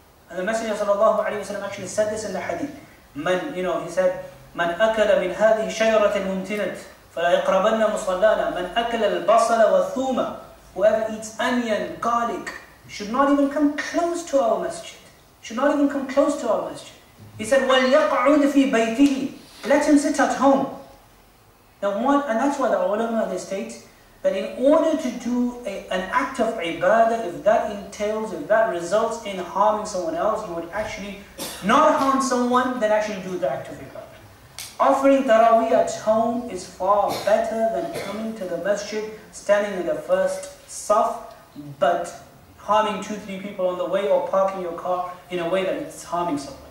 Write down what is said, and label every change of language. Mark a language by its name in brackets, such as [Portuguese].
[English] And the Messenger of Sallallahu Alaihi Wasallam actually said this in the hadith. [Arabic] Man, [English] you know, he said, [Arabic] Man akala min hadhihi shayratin mumtinat. فَلَيَقْرَبَنَّ مُصَلَّانَا مَنْ أَكَلَ الْبَصَلَ وَالثُّومَ. [English] Whoever eats onion, garlic, should not even come close to our masjid. Should not even come close to our masjid. He said, [Arabic] وَلْيَقْعُدْ فِي بَيْتِهِ. [English] Let him sit at home. Now one, and that's why the ulama, they state, that in order to do an act of ibadah, if that entails, if that results in harming someone else, you would actually not harm someone, then actually do the act of ibadah. Offering Taraweeh at home is far better than coming to the masjid, standing in the first saf, but harming 2-3 people on the way, or parking your car in a way that it's harming someone.